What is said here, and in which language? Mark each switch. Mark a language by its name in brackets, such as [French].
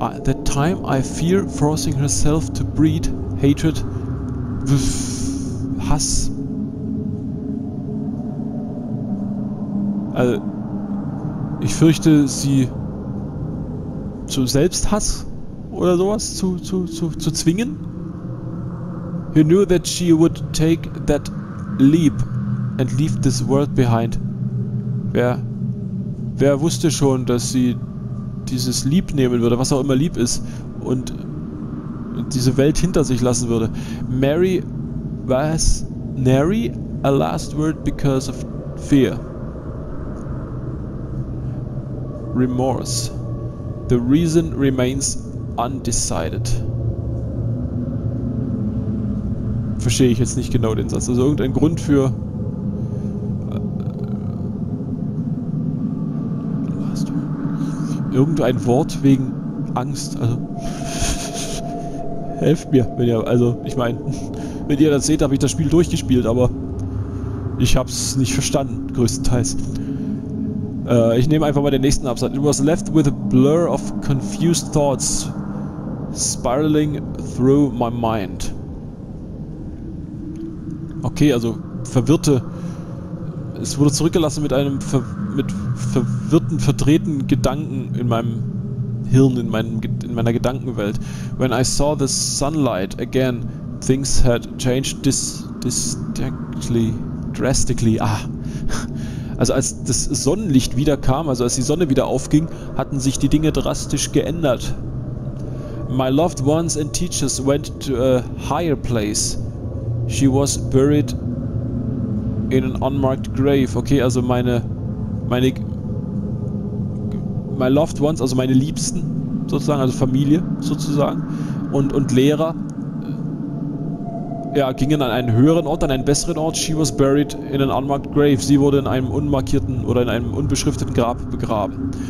[English] the time I fear forcing herself to breed hatred... [German] Hass... Also, ich fürchte, sie zu Selbsthass oder sowas zu zwingen. [English] He knew that she would take that leap and leave this world behind. [German] Wer wusste schon, dass sie dieses Leap nehmen würde, was auch immer Leap ist, und diese Welt hinter sich lassen würde. [English] Mary was nary a last word because of fear. Remorse. The reason remains undecided. [German] Verstehe ich jetzt nicht genau den Satz. Also irgendein Grund für... irgendein Wort wegen Angst. Also, helft mir, wenn ihr... Also, ich meine, wenn ihr das seht, habe ich das Spiel durchgespielt, aber ich habe es nicht verstanden, größtenteils. Ich nehme einfach mal den nächsten Absatz. [English] It was left with a blur of confused thoughts spiraling through my mind. [German] Okay, also verwirrte... Es wurde zurückgelassen mit einem verwirrten, verdrehten Gedanken in meinem Hirn, in meiner Gedankenwelt. [English] When I saw the sunlight again, things had changed drastically. Ah... [German] Also als das Sonnenlicht wieder kam, also als die Sonne wieder aufging, hatten sich die Dinge drastisch geändert. [English] My loved ones and teachers went to a higher place. She was buried in an unmarked grave. [German] Okay, also [English] my loved ones, [German] also meine Liebsten sozusagen, also Familie sozusagen und Lehrer, ja, gingen an einen höheren Ort, an einen besseren Ort. [English] She was buried in an unmarked grave. [German] Sie wurde in einem unmarkierten oder in einem unbeschrifteten Grab begraben.